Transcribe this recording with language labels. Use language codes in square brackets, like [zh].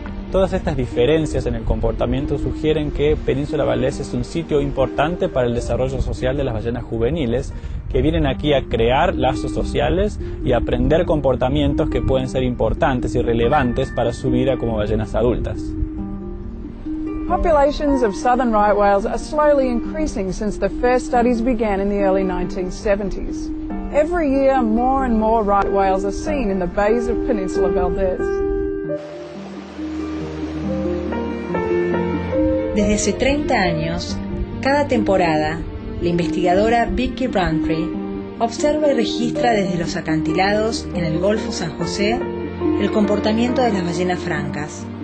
[es] Todas estas diferencias en el comportamiento sugieren que Península Valdés es un sitio importante para el desarrollo social de las ballenas juveniles, que vienen aquí a crear lazos sociales y aprender comportamientos que pueden ser importantes y relevantes para su vida como ballenas adultas. [en] Populations of southern right whales are slowly increasing since the first studies began in the early 1970s. Every year, more and more right whales are seen in the bays of Península Valdés. [es] Desde hace 30 años, cada temporada, la investigadora Vicky Rountree observa y registra desde los acantilados en el Golfo San José el comportamiento de las ballenas francas.